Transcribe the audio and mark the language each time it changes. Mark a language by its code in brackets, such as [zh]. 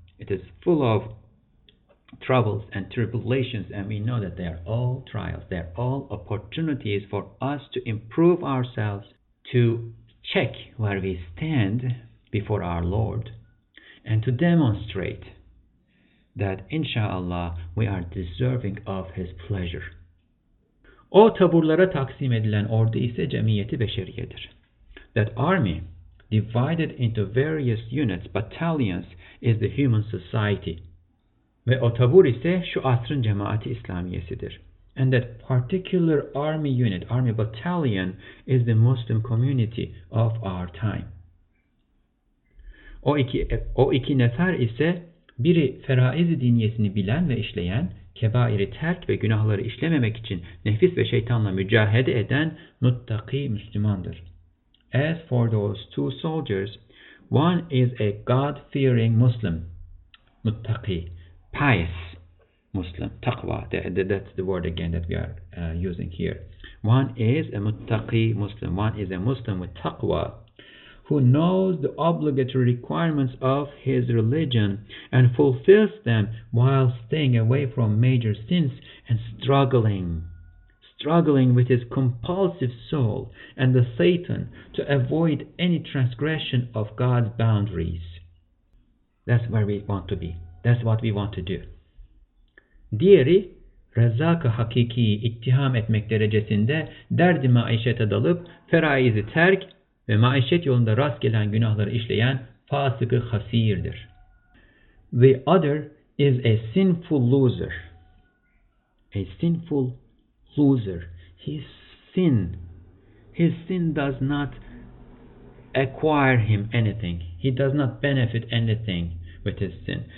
[en] It is full of troubles and tribulations, and we know that they are all trials. They are all opportunities for us to improve ourselves, to check where we stand before our Lord, and to demonstrate that, inshallah, we are deserving of His pleasure. [tr] O taburlara taksim edilen ordu ise cemiyeti beşeriyedir. [en] That army, divided into various units, battalions, is the human society. [tr] Ve o tabur ise şu asrın cemaati İslamiyesidir. [en] And that particular army unit, army battalion, is the Muslim community of our time. [tr] O iki nefer ise biri feraiz-i diniyesini bilen ve işleyen, kebairi terk ve günahları işlememek için nefis ve şeytanla mücahede eden muttaki Müslümandır. [en] As for those two soldiers, one is a God-fearing Muslim, muttaki, pious Muslim, taqwa, that's the word again that we are using here. One is a muttaqi Muslim, one is a Muslim with taqwa, who knows the obligatory requirements of his religion and fulfills them while staying away from major sins and struggling with his compulsive soul and the Satan to avoid any transgression of God's boundaries. That's where we want to be. That's what we want to do. [tr] Diğeri, Rezzak-ı Hakiki'yi ittiham etmek derecesinde derd-i maişete dalıp feraizi terk ve maişet yolunda rast gelen günahları işleyen fasık-ı hasirdir. [en] The other is a sinful loser. A sinful loser. His sin does not acquire him anything. He does not benefit anything with his sin.